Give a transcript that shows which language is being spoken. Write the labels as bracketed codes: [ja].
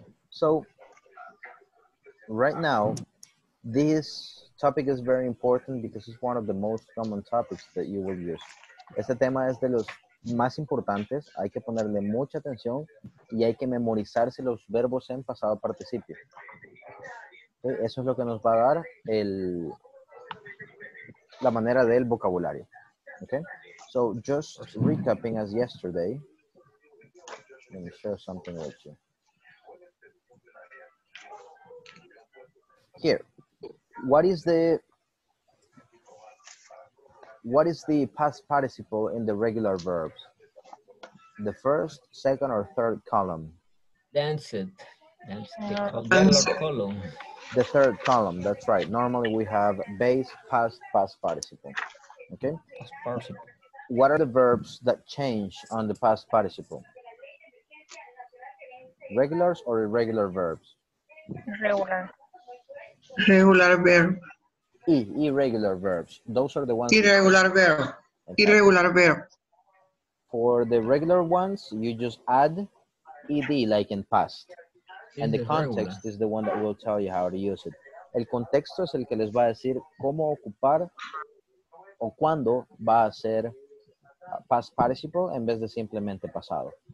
[en] So right now, this topic is very important because it's one of the most common topics that you will use. [es] Este tema es de los más importantes. Hay que ponerle mucha atención y hay que memorizarse los verbos en pasado participio. Okay, eso es lo que nos va a dar la manera del vocabulario. [en] Okay? So just recapping as yesterday, let me share something with you. Here, what is the past participle in the regular verbs? The first, second, or third column? Dance it. The third column, that's right. Normally we have base, past participle. Okay? Past participle. What are the verbs that change on the past participle? Regulars or irregular verbs? Regular verb. Irregular verbs. Those are the ones. Irregular verb. For the regular ones, you just add ed like in past. And the context is the one that will tell you how to use it. [es] El contexto es el que les va a decir cómo ocupar o cuándo va a ser past participle en vez de simplemente pasado.